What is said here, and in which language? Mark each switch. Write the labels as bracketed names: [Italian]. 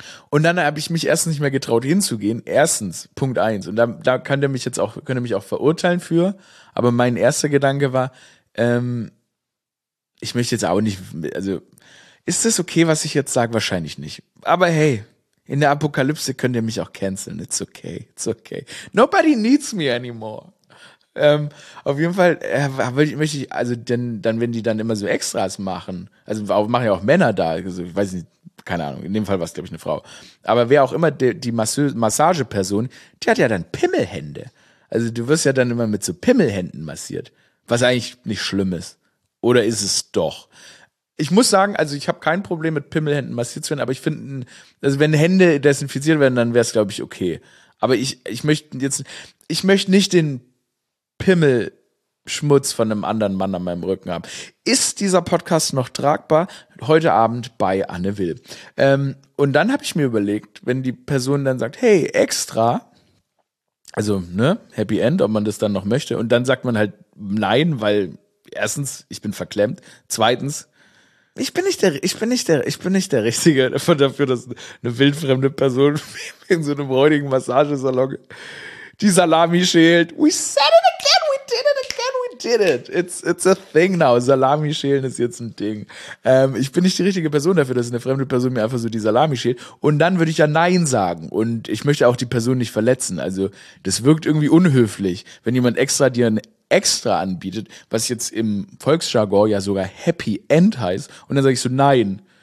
[German] Und dann habe ich mich erstens nicht mehr getraut, hinzugehen. Erstens, Punkt 1. Und da könnt ihr mich auch verurteilen für. Aber mein erster Gedanke war, ich möchte jetzt auch nicht, also ist das okay, was ich jetzt sage? Wahrscheinlich nicht. Aber hey, In der Apokalypse könnt ihr mich auch canceln. [English] It's okay. It's okay. Nobody needs me anymore. [German] Auf jeden Fall möchte ich, also denn, dann, wenn die dann immer so Extras machen, also machen ja auch Männer da, also ich weiß nicht, keine Ahnung, in dem Fall war es, glaube ich, eine Frau. Aber wer auch immer die Massageperson, die hat ja dann Pimmelhände. Also du wirst ja dann immer mit so Pimmelhänden massiert, was eigentlich nicht schlimm ist. Oder ist es doch? Ich muss sagen, also ich habe kein Problem mit Pimmelhänden massiert zu werden, aber ich finde, also wenn Hände desinfiziert werden, dann wäre es, glaube ich, okay. Aber ich möchte nicht den Pimmelschmutz von einem anderen Mann an meinem Rücken haben. Ist dieser Podcast noch tragbar? Heute Abend bei Anne Will. Und dann habe ich mir überlegt, wenn die Person dann sagt, hey, extra, also, ne, Happy End, ob man das dann noch möchte. Und dann sagt man halt nein, weil erstens, ich bin verklemmt. Zweitens, ich bin nicht der Richtige dafür, dass eine wildfremde Person in so einem räudigen Massagesalon die Salami schält. [English] We said it again, we did it again, we did it. It's a thing now. [German] Salami schälen ist jetzt ein Ding. Ich bin nicht die richtige Person dafür, dass eine fremde Person mir einfach so die Salami schält. Und dann würde ich ja nein sagen. Und ich möchte auch die Person nicht verletzen. Also das wirkt irgendwie unhöflich, wenn jemand extra dir ein Extra anbietet, was jetzt im Volksjargon ja sogar Happy End heißt. Und dann sage ich so, nein.